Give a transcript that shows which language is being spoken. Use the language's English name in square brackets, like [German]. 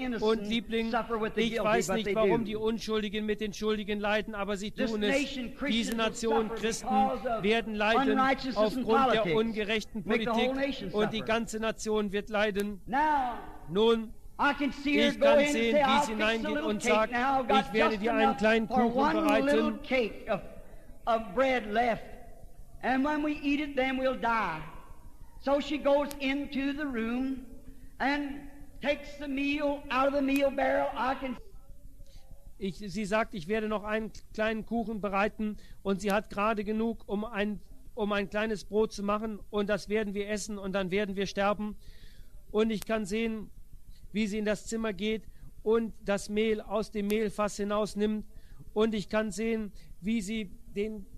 [German] Und Liebling, ich weiß nicht, warum die Unschuldigen mit den Schuldigen leiden, aber sie tun es. Diese Nation, Christen, werden leiden aufgrund der ungerechten Politik, und die ganze Nation wird leiden. Nun, ich kann sehen, wie sie hineingeht und sagt, ich werde dir einen kleinen Kuchen bereiten. [English] Of bread left, and when we eat it, then we'll die. So she goes into the room and takes the meal out of the meal barrel. [German] Sie sagt, ich werde noch einen kleinen Kuchen bereiten, und sie hat gerade genug, um ein kleines Brot zu machen, und das werden wir essen, und dann werden wir sterben. Und ich kann sehen, wie sie in das Zimmer geht und das Mehl aus dem Mehlfass hinausnimmt, und ich kann sehen, wie sie den